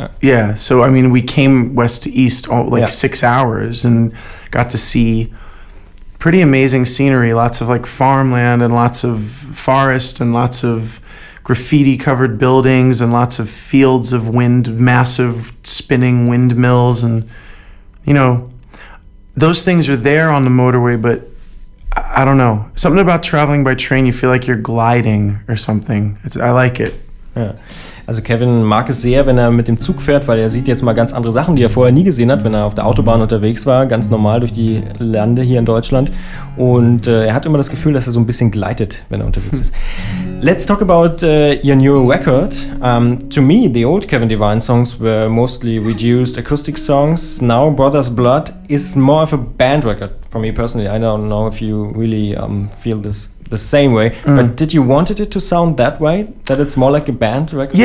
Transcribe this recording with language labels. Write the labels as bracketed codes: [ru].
[en] Yeah, so I mean, we came west to east all, like, yeah, 6 hours and got to see pretty amazing scenery, lots of like farmland and lots of forest and lots of graffiti-covered buildings and lots of fields of wind, massive spinning windmills, and, you know, those things are there on the motorway, but I don't know. Something about traveling by train, you feel like you're gliding or something. I like it. [de] Ja. Also Kevin mag es sehr, wenn er mit dem Zug fährt, weil er sieht jetzt mal ganz andere Sachen, die er vorher nie gesehen hat, wenn er auf der Autobahn unterwegs war, ganz normal durch die Lande hier in Deutschland. Und er hat immer das Gefühl, dass er so ein bisschen gleitet, wenn er unterwegs ist. [en] Let's talk about your new record. To me, the old Kevin Devine songs were mostly reduced acoustic songs. Now Brothers Blood is more of a band record for me personally. I don't know if you really feel this the same way, but did you wanted it to sound that way, that it's more like a band record?